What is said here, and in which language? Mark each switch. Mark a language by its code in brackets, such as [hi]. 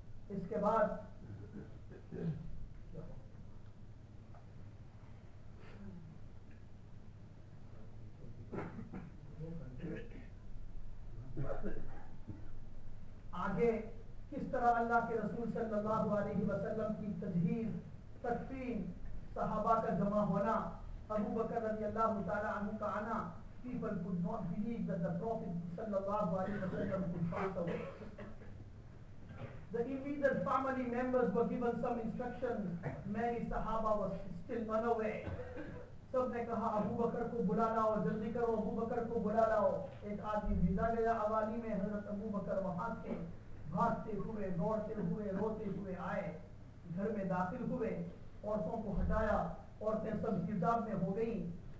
[ur] اس کے بعد آگے کس طرح اللہ کے رسول صلی اللہ علیہ وسلم کی تجہیز, تکفین, صحابہ کا جمع ہونا, ابو بکر رضی اللہ تعالیٰ عنہ کا آنا, [en] people could not believe that the Prophet صلی اللہ علیہ وسلم could pass away. The immediate family members were given some instructions. Many صحابہ was still unaware. [ur] سب نے کہا ابو بکر کو بلا لاؤ, جلدی کرو ابو بکر کو بلا لاؤ. ایک آدمی بھیجا گیا حوالی میں, حضرت ابو بکر وہاں تھے, بھاگتے ہوئے دوڑتے ہوئے روتے ہوئے آئے, گھر میں داخل ہوئے, عورتوں کو ہٹایا, عورتیں سب حجاب میں ہو گئیں.